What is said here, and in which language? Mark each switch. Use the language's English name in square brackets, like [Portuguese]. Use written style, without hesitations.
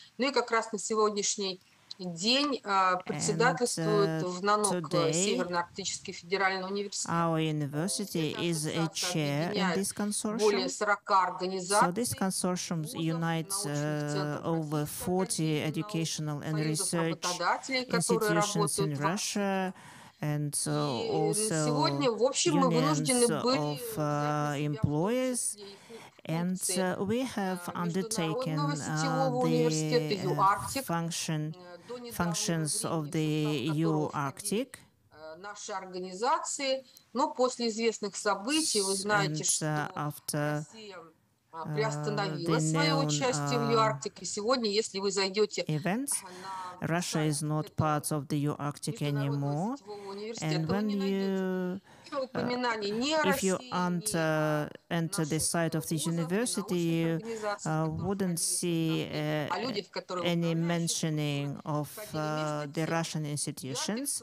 [Russian] Ну и как раз на сегодняшний день председательствует в НАНОК Северно-Арктический федеральный университет. [English] Our university is a chair in this consortium. [Russian] Более 40 организаций. [English] So this consortium unites over 40 educational and research institutions in Russia. And also units of employees. And we have undertaken the functions of the UArctic. [Russian] Наши организации, но после известных событий, вы знаете, что [English] after events, Russia is not part of the UArctic anymore. And when you, if you enter the site of this university, you wouldn't see any mentioning of the Russian institutions.